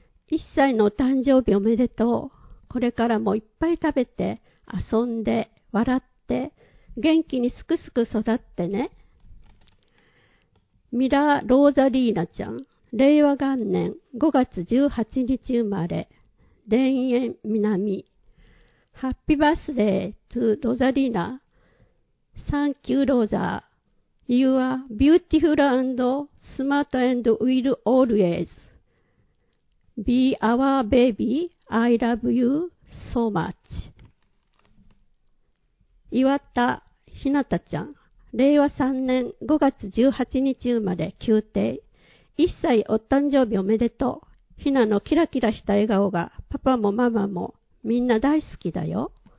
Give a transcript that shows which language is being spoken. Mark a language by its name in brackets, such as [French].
[Japanese] 1歳のお誕生日おめでとう。これからもいっぱい食べて、遊んで、笑って、元気にすくすく育ってね。ミラ・ローザリーナちゃん、令和元年5月18日生まれ、田園南。 [English] ハッピーバースデー、トゥ・ローザリーナ。サンキュー、ローザー。 You are beautiful and smart and will always be our baby. I love you so much. [Japanese] 岩田ひなたちゃん、令和3年5月18日生まれ、宮廷。 1歳お誕生日おめでとう。ひなのキラキラした笑顔がパパもママもみんな大好きだよ。